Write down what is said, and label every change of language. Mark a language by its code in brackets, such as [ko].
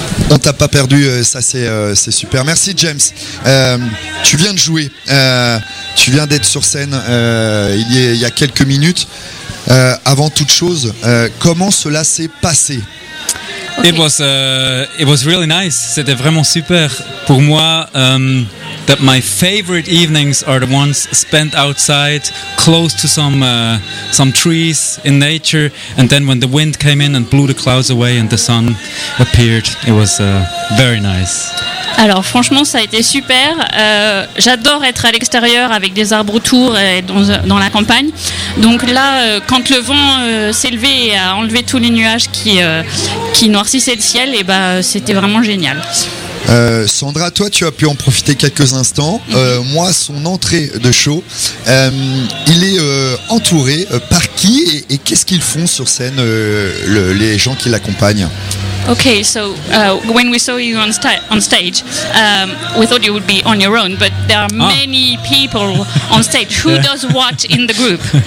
[fr] On t'a pas perdu, ça c'est super. Merci James. Tu viens de jouer, tu viens d'être sur scène il y a quelques minutes. Avant toute chose, comment cela s'est passé? [en] Okay. It was really nice. [fr] C'était vraiment super. Pour moi, [en] that my favorite evenings are the ones spent outside, close to some trees in nature. And then when the wind came in and blew the clouds away and the sun appeared, it was very nice. [fr] Alors franchement, ça a été super. J'adore être à l'extérieur avec des arbres autour et dans la campagne. Donc là, quand le vent s'est levé et a enlevé tous les nuages qui noircissaient le ciel, et ben, c'était vraiment génial. Sandra, toi, tu as pu en profiter quelques instants. Mm-hmm. Moi, son entrée de show, il est entouré par qui et qu'est-ce qu'ils font sur scène, les gens qui l'accompagnent? [en] Okay, so when we saw you on stage, we thought you would be on your own, but there are many people on stage. Who does what in the group?